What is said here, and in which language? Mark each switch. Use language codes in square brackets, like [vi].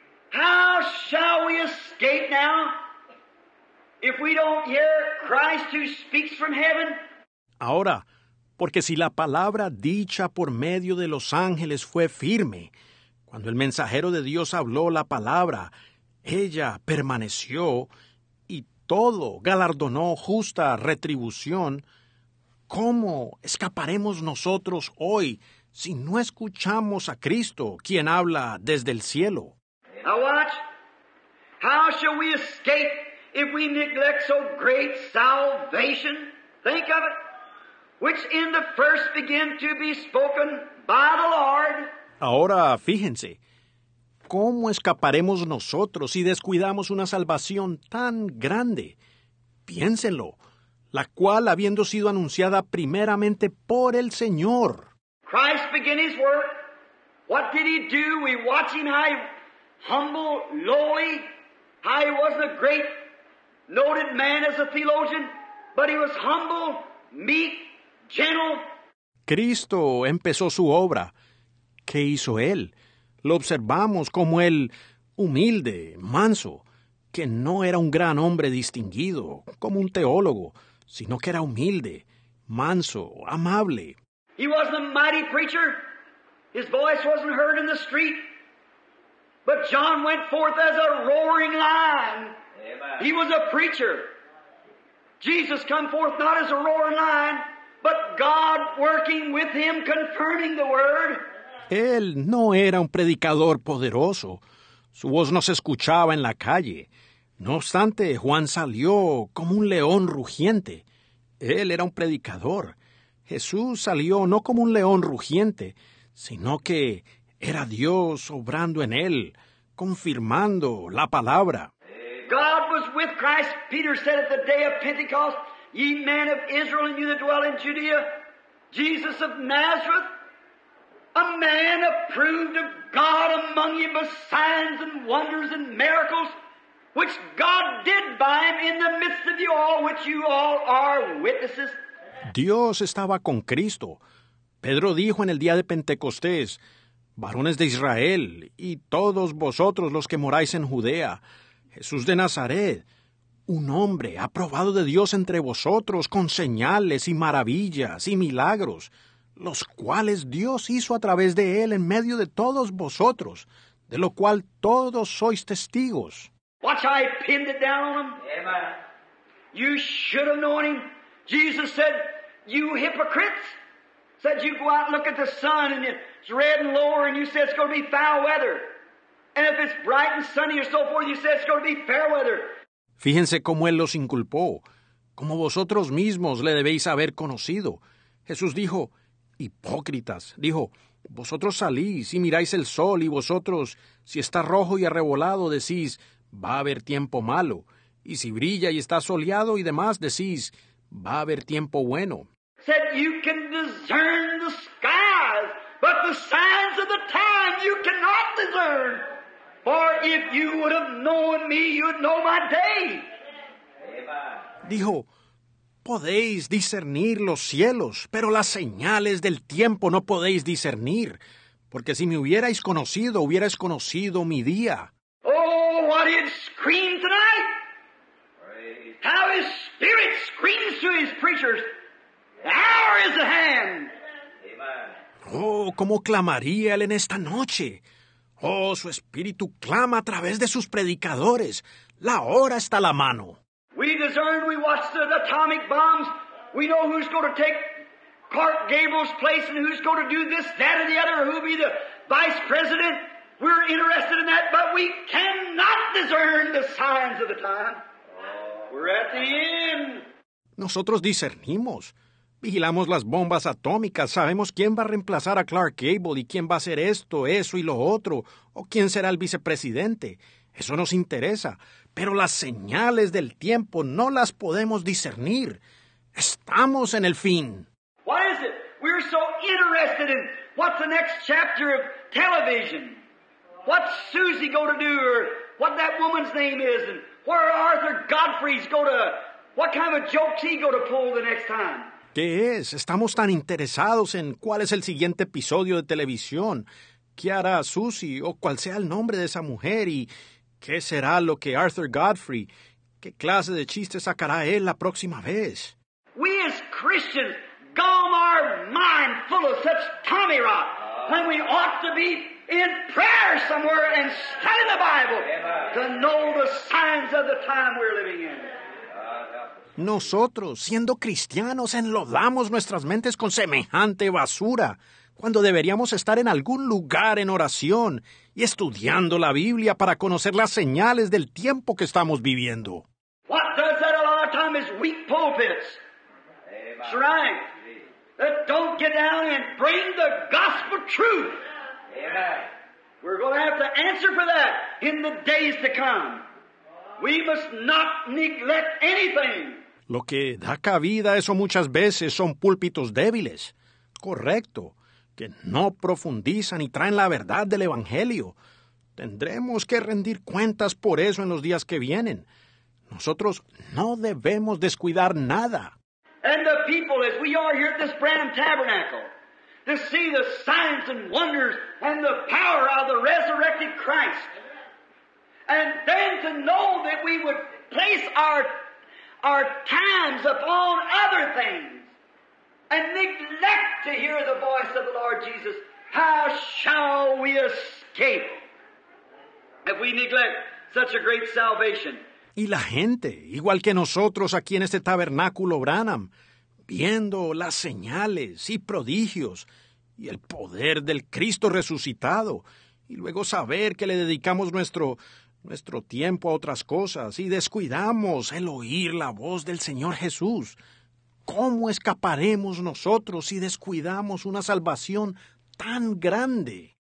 [en] How shall we escape now if we don't hear Christ who speaks from heaven? [es] Ahora, porque si la palabra dicha por medio de los ángeles fue firme, Cuando el mensajero de Dios habló la palabra, ella permaneció y todo galardonó justa retribución. ¿Cómo escaparemos nosotros hoy si no escuchamos a Cristo, quien habla desde el cielo? [en] Now watch. How shall we escape if we neglect so great salvation? Think of it. Which in the first began to be spoken by the Lord. [es] Ahora, fíjense, ¿cómo escaparemos nosotros si descuidamos una salvación tan grande? Piénsenlo, la cual habiendo sido anunciada primeramente por el Señor. [en] Christ began his work. What did he do? We watch him, how he humble, lowly, how he was a great, noted man as a theologian, but he was humble, meek, gentle. [es] Cristo empezó su obra. ¿Qué hizo él? Lo observamos como el humilde, manso, que no era un gran hombre distinguido, como un teólogo, sino que era humilde, manso, amable. [en] He wasn't a mighty preacher. His voice wasn't heard in the street. But John went forth as a roaring lion. Amen. He was a preacher. Jesus come forth not as a roaring lion, but God working with him, confirming the word. [es] Él no era un predicador poderoso. Su voz no se escuchaba en la calle. No obstante, Juan salió como un león rugiente. Él era un predicador. Jesús salió no como un león rugiente, sino que era Dios obrando en él, confirmando la palabra. [en] God was with Christ. Peter said at the day of Pentecost, ye men of Israel and you that dwell in Judea, Jesus of Nazareth, a man approved of God among you by signs and wonders and miracles, which God did by him in the midst of you all, which you all are witnesses. [es] Dios estaba con Cristo. Pedro dijo en el día de Pentecostés, varones de Israel y todos vosotros los que moráis en Judea, Jesús de Nazaret, un hombre aprobado de Dios entre vosotros con señales y maravillas y milagros, los cuales Dios hizo a través de él en medio de todos vosotros, de lo cual todos sois testigos. [en] Watch, I pinned it down on him. Amen. You should have known him. Jesus said, you hypocrites, said you go out and look at the sun and it's red and lower and you say it's going to be foul weather. And if it's bright and sunny or so forth, you say it's going to be fair weather. [es] Fíjense cómo él los inculpó, como vosotros mismos le debéis haber conocido. Jesús dijo, hipócritas, dijo, vosotros salís y miráis el sol y vosotros, si está rojo y arrebolado, decís, va a haber tiempo malo. Y si brilla y está soleado y demás, decís, va a haber tiempo bueno. [en] Said you can discern the skies, but the signs of the time you cannot discern. For if you would have known me, you'd know my day. [es] Dijo, podéis discernir los cielos, pero las señales del tiempo no podéis discernir, porque si me hubierais conocido, hubierais conocido mi día. [en] Oh, what he'd scream tonight! How his spirit screams to his preachers! The hour is at hand! [es] Oh, cómo clamaría él en esta noche! Oh, su espíritu clama a través de sus predicadores. La hora está a la mano. [en] We discern, we watch the atomic bombs. We know who's going to take Clark Gable's place and who's going to do this, that, or the other, or who'll be the vice president. We're interested in that, but we cannot discern the signs of the time. We're at the end. [es] Nosotros discernimos. Vigilamos las bombas atómicas. Sabemos quién va a reemplazar a Clark Gable y quién va a hacer esto, eso y lo otro, o quién será el vicepresidente. Eso nos interesa. Pero las señales del tiempo no las podemos discernir. Estamos en el fin. [en] What is it? We're so interested in what's the next chapter of television. What's Susie going to do, or what that woman's name is, and where Arthur Godfrey's going to, what kind of jokes he going to pull the next time. [es] ¿Qué es? Estamos tan interesados en cuál es el siguiente episodio de televisión. ¿Qué hará Susie o cuál sea el nombre de esa mujer y qué será lo que Arthur Godfrey, qué clase de chiste sacará él la próxima vez? [en] We as Christians gum our mind full of such tommy rot when we ought to be in prayer somewhere and study the Bible to know the signs of the time we're living in. [es] Nosotros, siendo cristianos, enlodamos nuestras mentes con semejante basura, cuando deberíamos estar en algún lugar en oración y estudiando la Biblia para conocer las señales del tiempo que estamos viviendo. [en] What does that a lot of time is weak pulpits. Amen. That's right. That don't get down and bring the gospel truth. Amen. We're going to have to answer for that in the days to come. We must not neglect anything. [es] Lo que da cabida a eso muchas veces son púlpitos débiles. Correcto. Que no profundizan y traen la verdad del Evangelio. Tendremos que rendir cuentas por eso en los días que vienen. Nosotros no debemos descuidar nada. [en] And the people, as we are here at this Branham Tabernacle, to see the signs and wonders and the power of the resurrected Christ. And then to know that we would place our times upon other things and neglect to hear the voice of the Lord Jesus. How shall we escape if we neglect such a great salvation? [es] Y la gente, igual que nosotros aquí en este tabernáculo Branham, viendo las señales y prodigios y el poder del Cristo resucitado, y luego saber que le dedicamos nuestro tiempo a otras cosas y descuidamos el oír la voz del Señor Jesús, ¿cómo escaparemos nosotros si descuidamos una salvación tan grande?